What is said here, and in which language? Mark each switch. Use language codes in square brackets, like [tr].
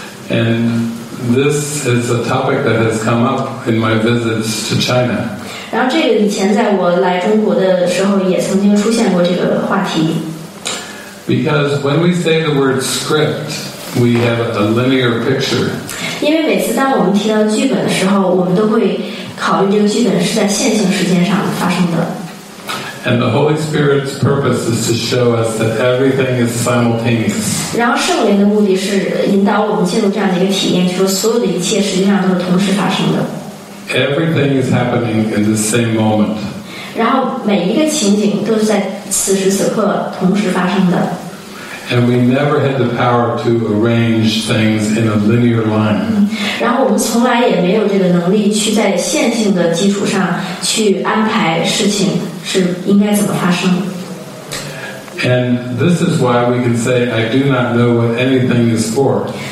[en] And this is a topic that has come up in my visits to China. [zh] 然后这个以前在我来中国的时候也曾经出现过这个话题。 [en] Because when we say the word script, we have a linear picture. [zh] 因为每次当我们提到剧本的时候，我们都会考虑这个剧本是在线性时间上发生的。 [en] And the Holy Spirit's purpose is to show us that everything is simultaneous. Everything is happening in the same moment. And we never had the power to arrange things in a linear line. [zh] 然后我们从来也没有这个能力去在线性的基础上去安排事情是应该怎么发生。 [en] And this is why we can say, I do not know what anything is for.